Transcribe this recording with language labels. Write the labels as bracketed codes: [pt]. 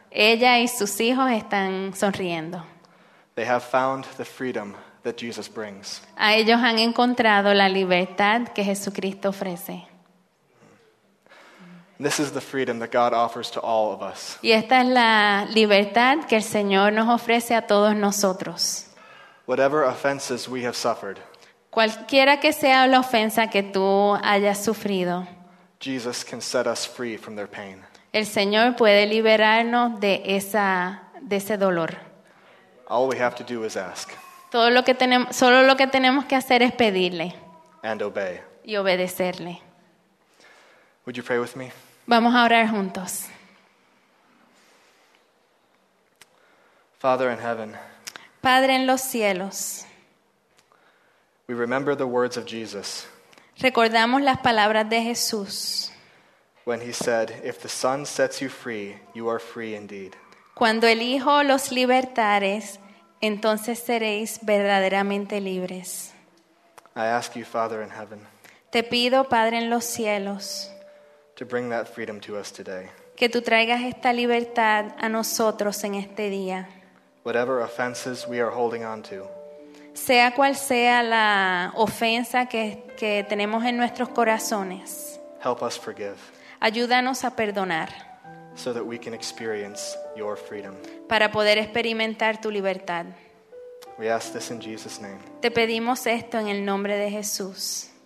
[es] Ella y sus hijos están sonriendo. [en] They have found the freedom that Jesus brings. [es] A ellos han encontrado la libertad que Jesucristo ofrece. [en] This is the freedom that God offers to all of us. [es] Y esta es la libertad que el Señor nos ofrece a todos nosotros. [en] Whatever offenses we have suffered, [es] cualquiera que sea la ofensa que tú hayas sufrido, [en] Jesus can set us free from their pain. [es] El Señor puede liberarnos de ese dolor. [en] All we have to do is ask. [es] Solo lo que tenemos que hacer es pedirle. [en] And obey. [es] Y obedecerle. [en] Would you pray with me? [es] Vamos a orar juntos. [en] Father in heaven, [es] Padre en los cielos, [en] we remember the words of Jesus. [es] Recordamos las palabras de Jesús. [en] When he said, "If the Son sets you free, you are free indeed." [es] Cuando el Hijo los libertares, entonces seréis verdaderamente libres. [en] I ask you, Father in heaven, [es] te pido, Padre en los cielos, [en] to bring that freedom to us today. [es] Que tú traigas esta libertad a nosotros en este día. [en] Whatever offenses we are holding on to, [es] sea cual sea la ofensa que tenemos en nuestros corazones, [en] help us forgive. [es] Ayúdanos a perdonar. [en] So that we can experience your freedom. [es] Para poder experimentar tu libertad. [en] We ask this in Jesus' name. [es] Te pedimos esto en el nombre de Jesús.